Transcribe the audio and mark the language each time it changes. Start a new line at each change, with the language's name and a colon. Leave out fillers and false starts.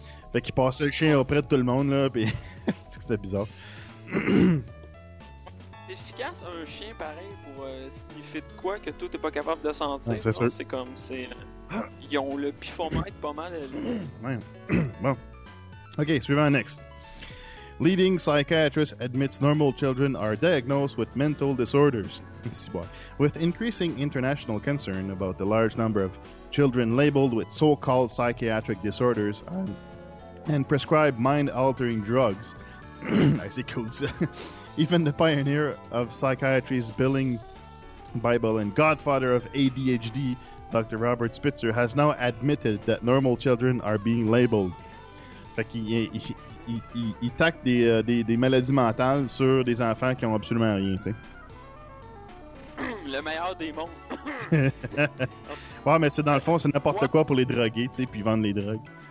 French: Fait qu'il passait le chien auprès de tout le monde là puis c'était bizarre. C'est efficace un chien pareil pour signifier de quoi que toi t'es pas capable de sentir. Ah, c'est sûr. C'est comme c'est ils ont le pifomètre pas mal. Ouais. Bon. Ok, suivant next.
English: Leading psychiatrist admits normal children are diagnosed with mental disorders. With increasing international concern about the large number of children labeled with so-called psychiatric disorders and prescribed mind-altering drugs, I see codes. Even the pioneer of psychiatry's billing Bible and godfather of ADHD, Dr. Robert Spitzer, has now admitted that normal children are being labeled.
French: Fait qu'il il tacte des maladies mentales sur des enfants qui ont absolument rien, tu sais. Le meilleur des mondes. Ouais, mais c'est dans le fond, c'est n'importe quoi pour les droguer, tu sais, puis vendre les drogues.